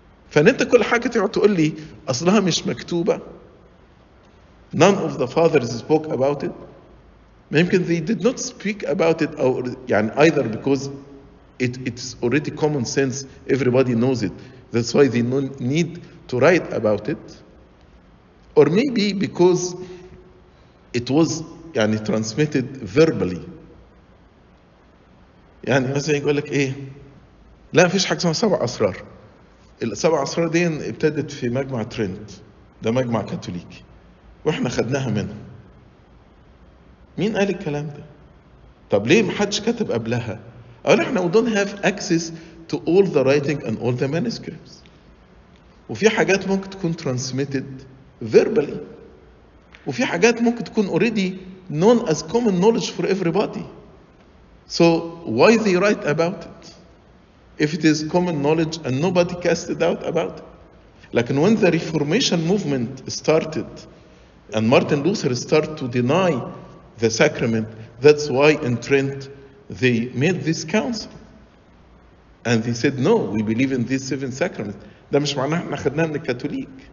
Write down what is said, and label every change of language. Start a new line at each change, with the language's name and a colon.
Arabic: فانت كل حاجة تقول لي اصلها مش مكتوبة.
English: None of the fathers spoke about it. Maybe they did not speak about it or, يعني, either because it's already common sense, everybody knows it. That's why they don't need to write about it. Or maybe because it was يعني, transmitted verbally.
Arabic: يعني مثلا يقول لك ايه؟ لا فيش حاجة اسمها سبع أسرار. السبع أسرار دي ابتدت في مجمع ترينت. ده مجمع كاثوليكي. واحنا خدناها منه. مين قال الكلام ده؟ طب ليه محدش كتب قبلها؟ قال احنا
English: we don't have access to all the writing and all the manuscripts.
Arabic: وفي حاجات ممكن تكون
English: transmitted verbally.
Arabic: وفي حاجات ممكن تكون
English: already known as common knowledge for everybody. So why they write about it? If it is common knowledge and nobody cast a doubt about it. Like when the Reformation movement started and Martin Luther started to deny the sacrament, that's why in Trent they made this council. And they said, no, we believe in these seven sacraments.
Arabic: ده مش معناه احنا خدناه من الكاثوليك.